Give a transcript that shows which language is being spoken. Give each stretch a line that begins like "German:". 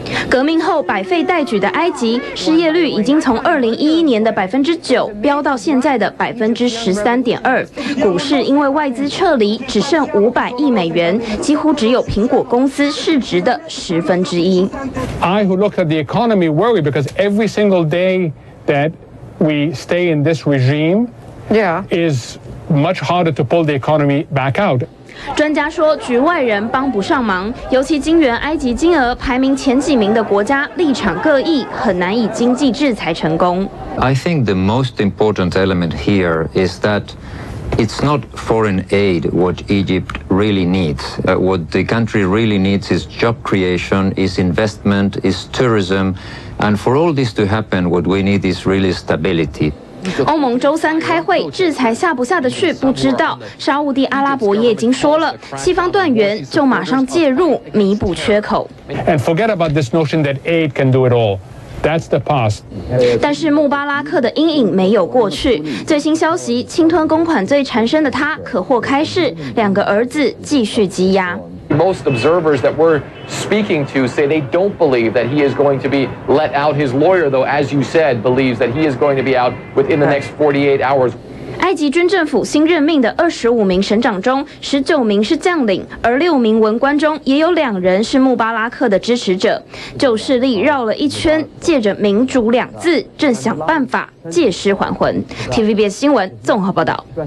Chinese: 革命后百废待举的埃及，失业率已经从2011年的9%飙到现在的13.2%。股市因为外资撤离，只剩500亿美元，几乎只有苹果公司市值的1/10。
English: I who look at the economy worry because every single day that we stay in this regime, yeah, is much harder to pull the economy back out.
Chinese: 专家说，局外人帮不上忙，尤其金援埃及金额排名前几名的国家立场各异，很难以经济制裁成功。
English: I think the most important element here is that. It's not foreign aid what Egypt really needs. What the country really needs is job creation, is investment, is tourism. And for all this to happen, what we need is really stability.
Chinese: 欧盟周三开会，制裁下不下得去不知道。沙烏地阿拉伯也已经说了，西方断源就马上介入弥补缺口。
English: And forget about this notion that aid can do it all. That's the past.
Chinese: 但是穆巴拉克的阴影没有过去。最新消息，侵吞公款罪缠身的他可获开释，两个儿子继续羁押。
English: Most observers that we're speaking to say they don't believe that he is going to be let out. His lawyer, though, as you said, believes that he is going to be out within the next 48 hours.
Chinese: 埃及军政府新任命的25名省长中，19名是将领，而6名文官中也有2人是穆巴拉克的支持者。旧势力绕了一圈，借着民主两字，正想办法借尸还魂。 TVBS 新闻综合报道。